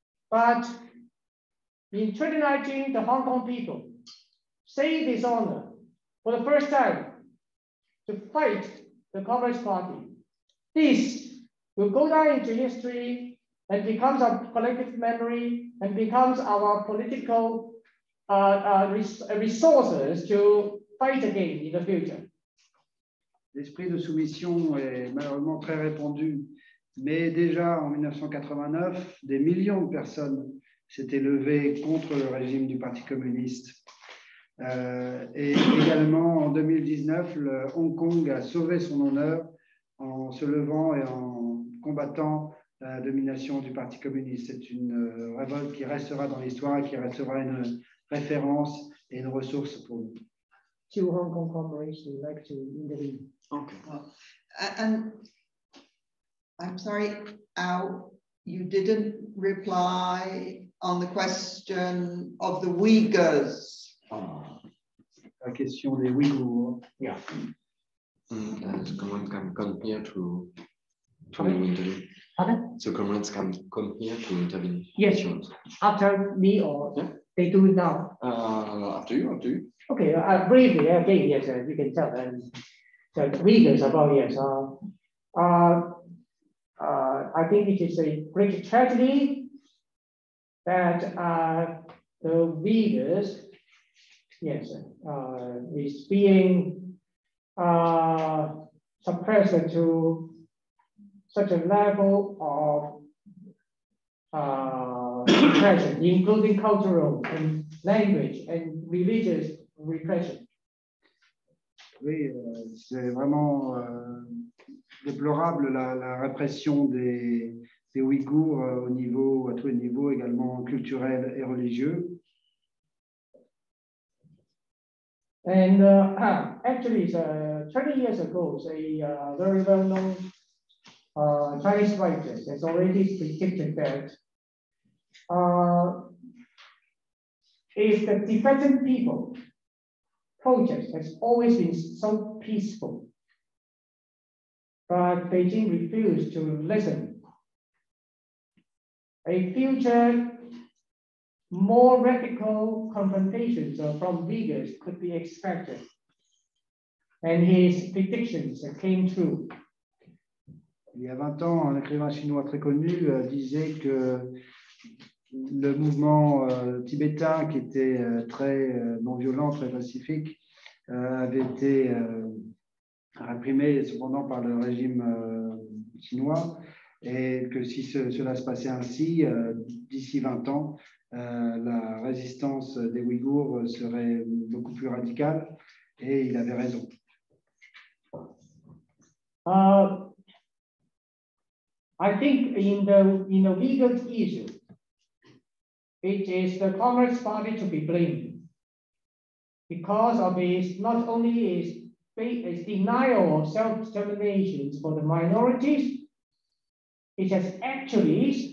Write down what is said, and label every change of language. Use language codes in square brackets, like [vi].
[en] But in 2019, the Hong Kong people saved this honor for the first time to fight the Communist Party. This will go down into history and becomes our collective memory and becomes our political resources to fight again in the future. [fr] L'esprit de soumission est malheureusement très répandu, mais déjà en 1989, des millions de personnes s'étaient levées contre le régime du Parti communiste. Et également en 2019, le Hong Kong a sauvé son honneur en se levant et en combattant la domination du Parti communiste. C'est une révolte qui restera dans l'histoire et qui restera une référence et une ressource pour nous. [en] To Hong Kong Corporation, I'd like to intervene. Okay. Well, I'm sorry, Ao, you didn't reply on the question of the Uyghurs. [fr] La question des Ouïghours. [en] Yeah. The comrades can come here to intervene. [fr] Pardon? [en] The comrades can come here to intervene. Yes. After me or yeah. They do it now? After you. Okay, briefly, okay, yes, you can tell. So, Uyghurs about, yes. I think it is a great tragedy that the Uyghurs, yes, is being suppressed to such a level of repression, including cultural and language and religious. [fr] Oui, c'est vraiment déplorable la répression des Ouïghours au niveau, à tous les niveaux, également culturel et religieux. [en] And actually, 20 years ago, a very well known Chinese writer has already predicted that if the defected people project has always been so peaceful, but Beijing refused to listen. A future more radical confrontations from Uyghurs could be expected. And his predictions came true. [fr] Il y a 20 ans, un écrivain chinois très connu disait que le mouvement tibétain, qui était très non-violent, très pacifique, avait été réprimé cependant par le régime chinois, et que si cela se passait ainsi, d'ici 20 ans, la résistance des Ouïghours serait beaucoup plus radicale, et il avait raison. [en] I think in the Uyghur issue, it is the Communist Party to be blamed because of its not only its denial of self-determination for the minorities, it has actually